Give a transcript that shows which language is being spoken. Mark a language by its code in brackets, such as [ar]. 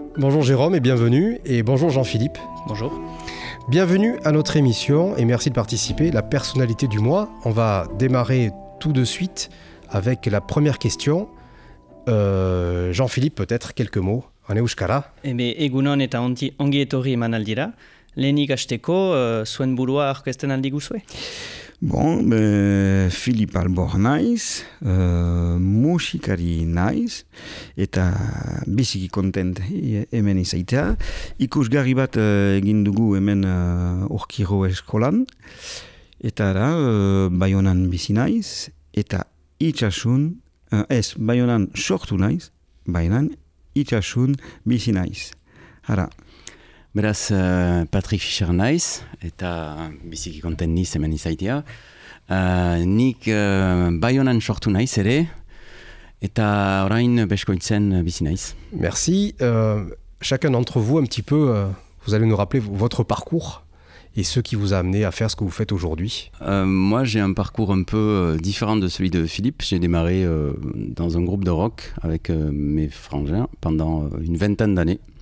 [fr] Bonjour Jérôme et bienvenue. Et bonjour Jean-Philippe. Bonjour. Bienvenue à notre émission et merci de participer. La personnalité du mois, on va démarrer tout de suite avec la première question. Jean-Philippe, peut-être quelques mots. En euskara. [eu] Egunon eta ongi etorri eman aldira. Lehenik hasteko, zuen burua aurkezten aldi guzue. Bon, Philippe Albor naiz, musikari naiz, eta biziki kontent hemen izaita. Ikusgarri bat egin dugu hemen Urkiro eskolan, eta da, Baionan bizi naiz, eta itxasun, ez, Baionan sortu naiz, Baionan itxasun bizi naiz. Hara. Beraz, Patrick Fischer naiz, eta biziki konten niz hemen izaitia. Nik Baionan sortu naiz ere, eta orain Beskoitzen bizi naiz. [fr] Merci. Chacun d'entre vous, un petit peu, vous allez nous rappeler votre parcours et ce qui vous a amené à faire ce que vous faites aujourd'hui. Moi, j'ai un parcours un peu différent de celui de Philippe. J'ai démarré dans un groupe de rock avec mes frangins pendant une vingtaine d'années.